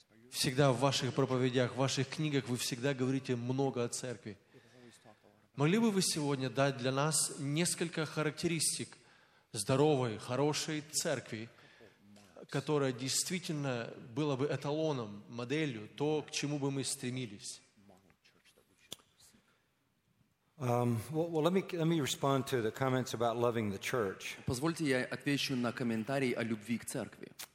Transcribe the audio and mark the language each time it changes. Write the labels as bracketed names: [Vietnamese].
[Russian] Всегда в ваших проповедях, в ваших книгах вы всегда говорите много о церкви. Могли бы вы сегодня дать для нас несколько характеристик здоровой, хорошей церкви, которая действительно была бы эталоном, моделью, то, к чему бы мы стремились? [English] Let me respond to the comments about loving the church. [Russian] Позвольте, я отвечу на комментарий о любви к церкви.